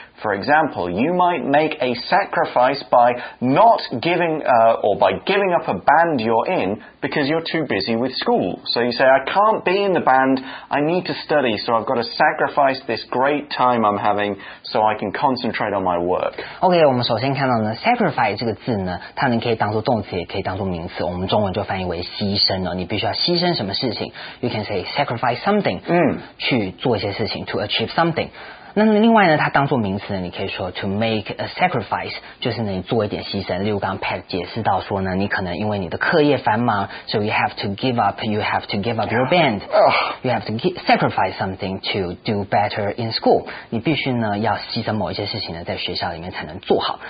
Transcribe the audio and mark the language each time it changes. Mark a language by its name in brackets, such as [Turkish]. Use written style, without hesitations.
[English] For example, you might make a sacrifice by not giving, or by giving up a band you're in because you're too busy with school. So you say, I can't be in the band, I need to study, so I've got to sacrifice this great time I'm having so I can concentrate on my work. [Chinese] OK, 我们首先看到呢 sacrifice 这个字呢，它呢可以当作动词，也可以当作名词，我们中文就翻译为牺牲了，你必须要牺牲什么事情。 [English] You can say sacrifice something, [Chinese] 去做一些事情 [English] to achieve something。 [Chinese] 那另外呢，它当作名词呢，你可以说 to make a sacrifice, 就是呢你做一点牺牲。例如刚刚 Pat 解释到说呢，你可能因为你的课业繁忙， [English] so you have to give up, you have to give up your band, you have to sacrifice something to do better in school. [Chinese] 你必须呢要牺牲某一些事情呢，在学校里面才能做好。